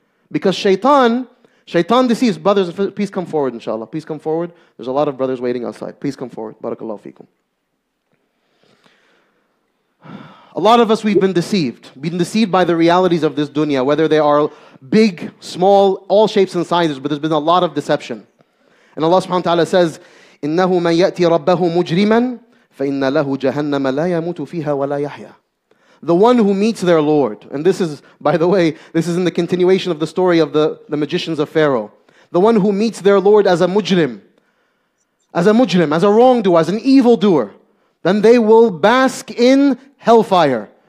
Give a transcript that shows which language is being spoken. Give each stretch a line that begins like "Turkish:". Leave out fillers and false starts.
English: Because Shaitan deceives. Brothers, please come forward, inshallah. Please come forward. There's a lot of brothers waiting outside. Please come forward. Barakallahu feekum. A lot of us, we've been deceived. We've been deceived by the realities of this dunya, whether they are big, small, all shapes and sizes, but there's been a lot of deception. And Allah subhanahu wa ta'ala says,
Arabic: إِنَّهُ مَنْ يَأْتِي رَبَّهُ مُجْرِمًا فَإِنَّ لَهُ جَهَنَّمَ لَا يَمُوتُ فِيهَا وَلَا يَحْيَى.
English: The one who meets their Lord, and this is, by the way, this is in the continuation of the story of the magicians of Pharaoh. The one who meets their Lord as a mujrim, as a wrongdoer, as an evildoer, then they will bask in hellfire.